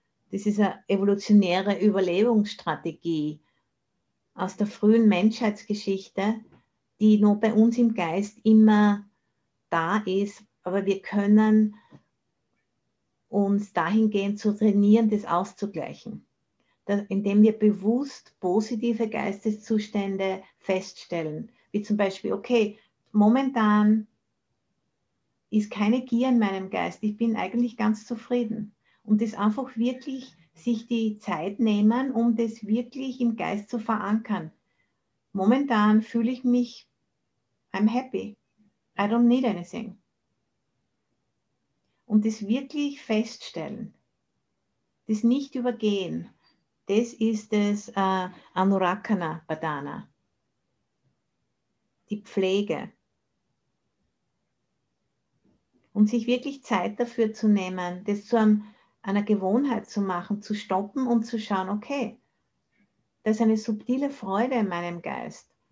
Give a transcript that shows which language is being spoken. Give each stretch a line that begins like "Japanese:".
German: Das ist eine evolutionäre Überlebensstrategie aus der frühen Menschheitsgeschichte, die nur bei uns im Geist immer da ist, aber wir können uns dahingehend zu trainieren, das auszugleichen, indem wir bewusst positive Geisteszustände feststellen, wie zum Beispiel, okay, momentan ist keine Gier in meinem Geist, ich bin eigentlich ganz zufrieden. Und das einfach wirklich sich die Zeit nehmen, um das wirklich im Geist zu verankern. Momentan fühle ich mich,
English: I'm happy, I don't need anything.
German: Und das wirklich feststellen, das nicht übergehen, das ist das Anurakkhanapadana, die Pflege. Und sich wirklich Zeit dafür zu nehmen, das zu einer Gewohnheit zu machen, zu stoppen und zu schauen, okay, da ist eine subtile Freude in meinem Geist.